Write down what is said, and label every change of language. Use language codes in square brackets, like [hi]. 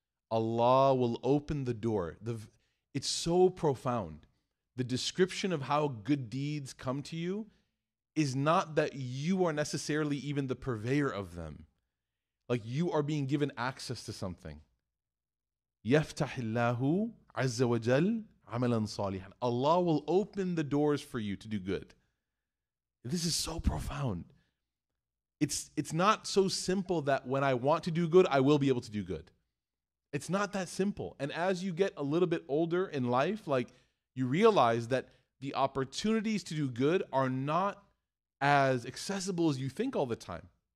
[en] Allah will open the door. It's so profound. The description of how good deeds come to you is not that you are necessarily even the purveyor of them. Like you are being given access to something. [ar] يفتح الله عز وجل عملا صالحا. [en] Allah will open the doors for you to do good. This is so profound. It's not so simple that when I want to do good, I will be able to do good. It's not that simple. And as you get a little bit older in life, like you realize that the opportunities to do good are not as accessible as you think all the time.